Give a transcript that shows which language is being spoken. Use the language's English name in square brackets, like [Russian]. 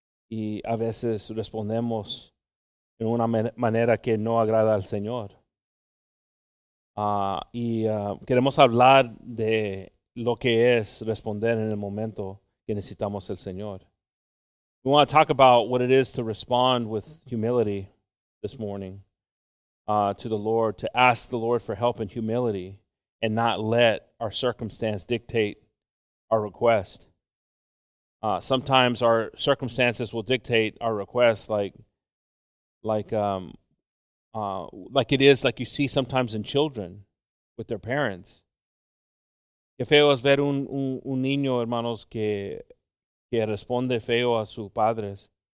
[Spanish] Y a veces respondemos en una manera que no agrada al Señor. Queremos hablar de lo que es responder en el momento que necesitamos el Señor. [English] We want to talk about what it is to respond with humility this morning to the Lord, to ask the Lord for help in humility and not let our circumstance dictate our request. Sometimes our circumstances will dictate our request like it is like you see sometimes in children with their parents. [Spanish] Qué feo es ver un niño, hermanos, que responde feo a sus padres.